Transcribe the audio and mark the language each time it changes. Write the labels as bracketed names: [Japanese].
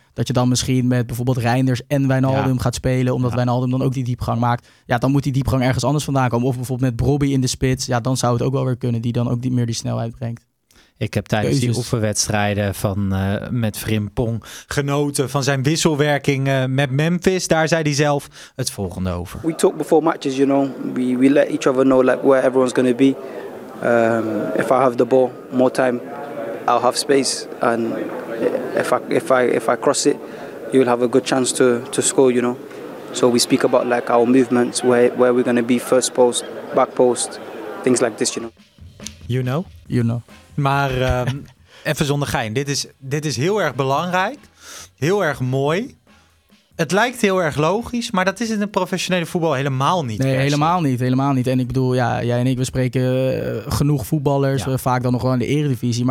[Dutch] Dat je dan misschien met bijvoorbeeld Reinders en Wijnaldum gaat spelen, omdat Wijnaldum dan ook die diepgang maakt. Ja, dan moet die diepgang ergens anders vandaan komen. Of bijvoorbeeld met Brobbey in de spits. Ja, dan zou het ook wel weer kunnen, die dan ook niet meer die snelheid brengt. Ik heb tijdens die oefenwedstrijden met Frimpong genoten van zijn wisselwerking met Memphis. Daar zei hij zelf het volgende over. [English] We talk before matches, you know. We let each other know like where everyone's going to be. If I have the ball more time, I'll have space. And if I cross it, you'll have a good chance to score, you know. So we speak about like our movements, where we're going to be, first post, back post, things like this, you know. You know? You know. [Dutch] Maar even zonder gein, dit is heel erg belangrijk, heel erg mooi. Het lijkt heel erg logisch, maar dat is in het professionele voetbal helemaal niet. Nee, helemaal niet. En ik bedoel, ja, jij en ik, we spreken genoeg voetballers, vaak dan nog wel in de Eredivisie.